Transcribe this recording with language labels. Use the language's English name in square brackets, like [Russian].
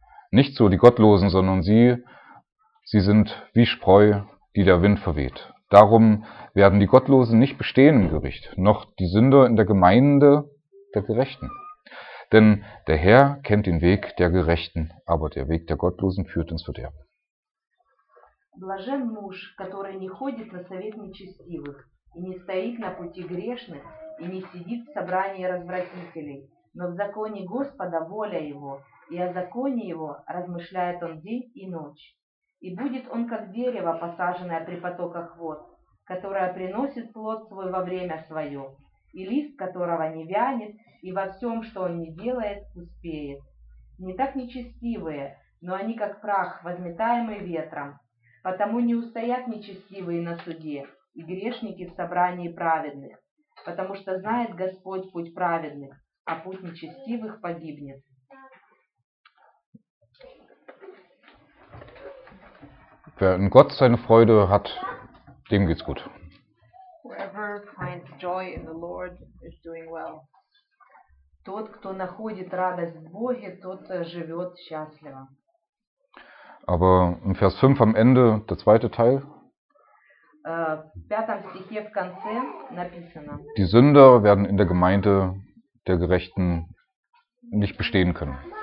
[German] Nicht so die Gottlosen, sondern sie sind wie Spreu, die der Wind verweht. Darum werden die Gottlosen nicht bestehen im Gericht, noch die Sünder in der Gemeinde der Gerechten. Denn der Herr kennt den Weg der Gerechten, aber der Weg der Gottlosen führt ins Verderben. [Russian] Блажен муж, который не ходит на совет нечестивых, и не стоит на пути грешных, и не сидит в собрании развратителей. Но в законе Господа воля его, и о законе его размышляет он день и ночь. И будет он, как дерево, посаженное при потоках вод, которое приносит плод свой во время свое, и лист которого не вянет, и во всем, что он не делает, успеет. Не так нечестивые, но они, как прах, возметаемый ветром. Потому не устоят нечестивые на суде, и грешники в собрании праведных, потому что знает Господь путь праведных. А путь нечестивых погибнет. [German] Wer in Gott seine Freude hat, dem geht's gut. [English] Whoever finds joy in the Lord is doing well. [Russian] Тот, кто находит радость в Боге, тот живет счастливо. [German] Aber im Vers 5 am Ende, der zweite Teil. [Russian] В пятом стихе в конце написано. [German] Die Sünder werden in der Gemeinde der Gerechten nicht bestehen können.